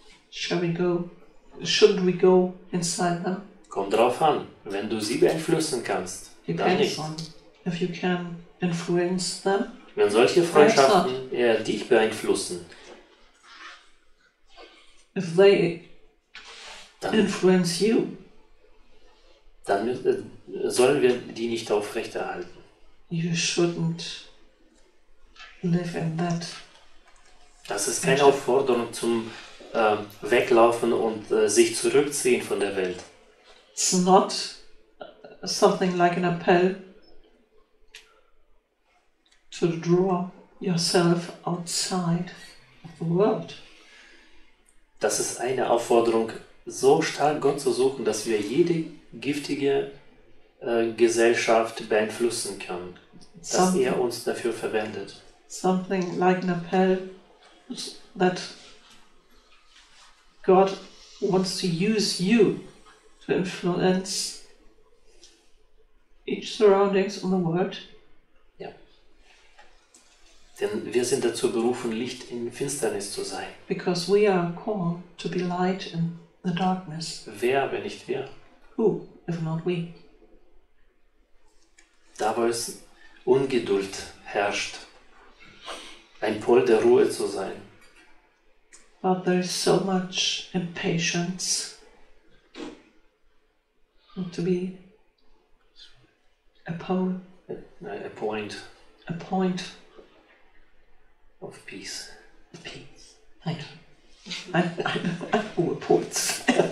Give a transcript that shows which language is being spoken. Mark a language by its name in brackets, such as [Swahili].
[English] Should we go inside them? [German] Kommt drauf an, wenn du sie beeinflussen kannst, dann nicht. [English] If you can influence them, [German] wenn solche Freundschaften eher dich beeinflussen, [English] if they influence you, [German] dann sollen wir die nicht aufrechterhalten. [English] You shouldn't live in that. [German] Das ist keine Aufforderung zum Weglaufen und sich zurückziehen von der Welt. [English] It's not something like an appeal to draw yourself outside of the world. [German] Das ist eine Aufforderung, so stark Gott zu suchen, dass wir jede giftige Gesellschaft beeinflussen kann, dass [English] something, [German] er uns dafür verwendet. [English] Something like an appeal that God wants to use you to influence each surroundings in the world. [German] Ja. Denn wir sind dazu berufen, Licht in Finsternis zu sein. [English] Because we are called to be light in the darkness. [German] Wer, wenn nicht wir? [English] Who, if not we? [German] Da, wo es Ungeduld herrscht, ein Pol der Ruhe zu sein. [English] But there is so much impatience not to be a pole. A point. A point of peace. Peace. Thank you. I'm all points.